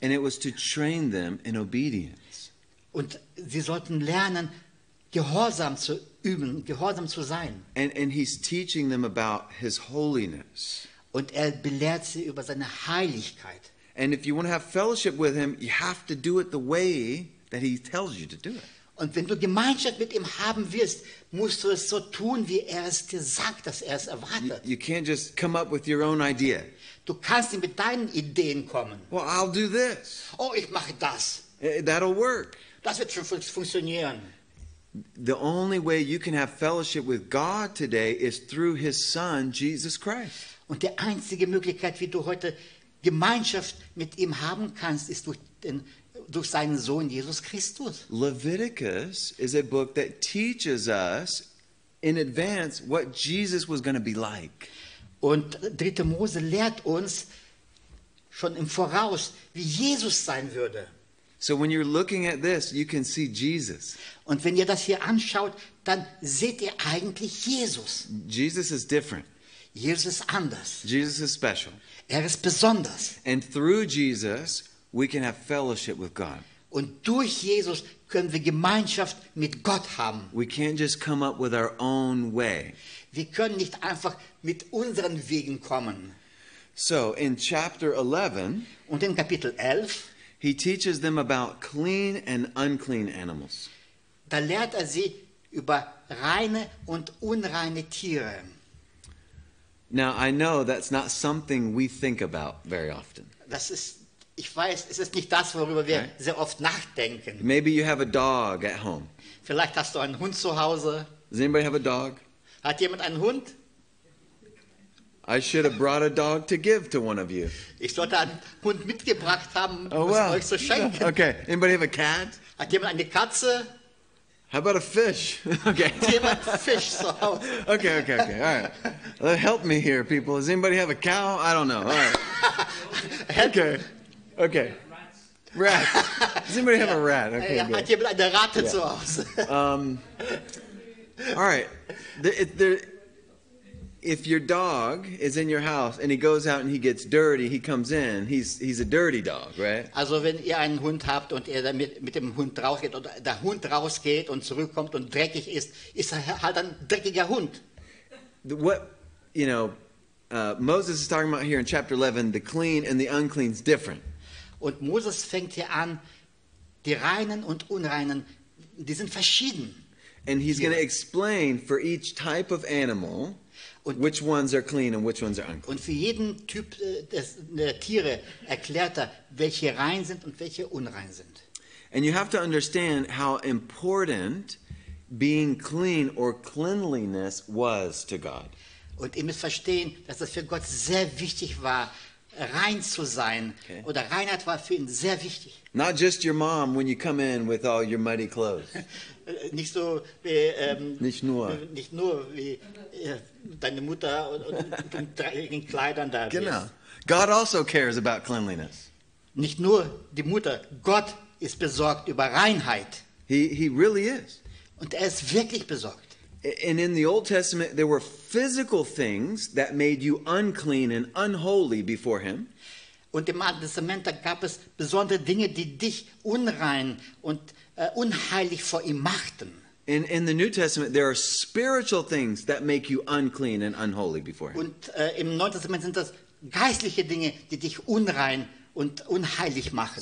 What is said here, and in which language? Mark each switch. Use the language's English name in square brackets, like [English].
[English] And it was to train them in obedience. [German] Und sie sollten lernen, Gehorsam zu üben, Gehorsam zu sein. [English] And he's teaching them about his holiness. [German] Und er belehrt sie über seine Heiligkeit. [English] And if you want to have fellowship with him, you have to do it the way that he tells you to do it. [German] Und wenn du Gemeinschaft mit ihm haben wirst, musst du es so tun, wie er es dir sagt, dass er es erwartet. [English] You can't just come up with your own idea. [German] Du kannst nicht mit deinen Ideen kommen. [English] Well, I'll do this. [German] Oh, ich mache das. [English] That'll work. [German] Das wird schon funktionieren. [English] The only way you can have fellowship with God today is through his son, Jesus Christ. [German] Und die einzige Möglichkeit, wie du heute Gemeinschaft mit ihm haben kannst, ist durch seinen Sohn Jesus Christus. [English] Leviticus is a book that teaches us in advance what Jesus was going to be like. [German] Und dritte Mose lehrt uns schon im Voraus, wie Jesus sein würde. [English] So when you're looking at this, you can see Jesus. [German] Und wenn ihr das hier anschaut, dann seht ihr eigentlich Jesus. [English] Jesus is different. [German] Jesus ist anders. [English] Jesus is special. [German] Er ist besonders. [English] And through Jesus, we can have fellowship with God. [German] Und durch Jesus können wir Gemeinschaft mit Gott haben. [English] We can't just come up with our own way. [German] Wir können nicht einfach mit unseren Wegen kommen. [English] So in chapter 11, [German] und in Kapitel 11, [English] he teaches them about clean and unclean animals. [German] Da lehrt er sie über reine und unreine Tiere. [English] Now I know that's not something we think about very often. [German] Das ist, ich weiß, es ist nicht das, worüber wir sehr oft nachdenken. [English] Maybe you have a dog at home. [German] Vielleicht hast du einen Hund zu Hause. [English] Does anybody have a dog? [German] Hat jemand einen Hund? [English] I should have brought a dog to give to one of you. [German] Ich sollte einen Hund mitgebracht haben, euch zu schenken. [English] Okay. Anybody have a cat? [German] Hat jemand eine Katze? [English] How about a fish? Okay. [German] Hat jemand Fisch zu Hause? [English] Okay. All right. Help me here, people. Does anybody have a cow? I don't know. All right. Okay. Okay. Rats. Does anybody have a rat? Okay. [German] Hat jemand eine Ratte zu Hause? [English] All right. If your dog is in your house and he goes out and he gets dirty, he comes in, he's a dirty dog, right? [German] Also wenn ihr einen Hund habt und er mit dem Hund rausgeht oder der Hund rausgeht und zurückkommt und dreckig ist, ist er halt ein dreckiger Hund. [English] What, you know, Moses is talking about here in chapter 11, the clean and the unclean is different. [German] Und Moses fängt hier an, die reinen und unreinen, die sind verschieden. [English] And he's going to explain for each type of animal which ones are clean and which ones are unclean. [German] Und für jeden Typ der Tiere erklärt er, welche rein sind und welche unrein sind. [English] And you have to understand how important being clean or cleanliness was to God. [German] Und ihr müsst verstehen, dass es für Gott sehr wichtig war, rein zu sein. Okay. Oder Reinheit war für ihn sehr wichtig. [English] Not just your mom when you come in with all your muddy clothes. [German] Nicht so wie, nicht nur wie deine Mutter in dreckigen Kleidern da. [English] Genau. God also cares about cleanliness. [German] Nicht nur die Mutter, Gott ist besorgt über Reinheit. [English] He really is. [German] Und er ist wirklich besorgt. [English] And in the Old Testament, there were physical things that made you unclean and unholy before him. [German] Und im Alten Testament gab es besondere Dinge, die dich unrein und unheilig vor ihm machten. [English] In the New Testament, there are spiritual things that make you unclean and unholy before him. [German] Und im Neuen Testament sind das geistliche Dinge, die dich unrein und unheilig machen.